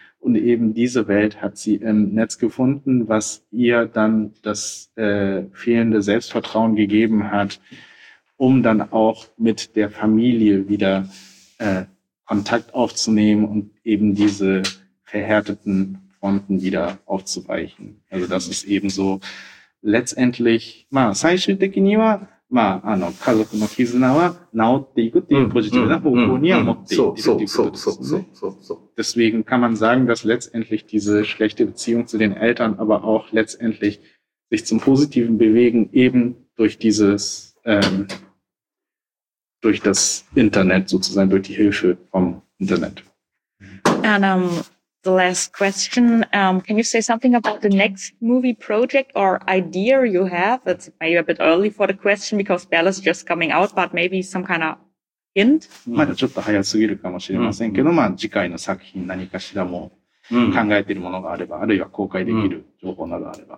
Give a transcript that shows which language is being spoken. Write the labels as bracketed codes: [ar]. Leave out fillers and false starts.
[de] Und eben diese Welt hat sie im Netz gefunden, was ihr dann das fehlende Selbstvertrauen gegeben hat, um dann auch mit der Familie wieder Kontakt aufzunehmen und eben diese verhärteten Fronten wieder aufzuweichen. Also das ist eben so letztendlich, [ja] まあ最終的には、まあ家族の絆は治っていくっていうポジティブな方向には持っていくっていうことですね。 [de] Deswegen kann man sagen, dass letztendlich diese schlechte Beziehung zu den Eltern, aber auch letztendlich sich zum Positiven bewegen, eben durch dieses, durch das Internet sozusagen, durch die Hilfe vom Internet. [en] The last question. Can you say something about the next movie project or idea you have? It's maybe a bit early for the question because Belle is just coming out, but maybe some kind of hint? [ja] まだちょっと早すぎるかもしれませんけど、まあ次回の作品何かしらも考えているものがあれば、あるいは公開できる情報などあれば。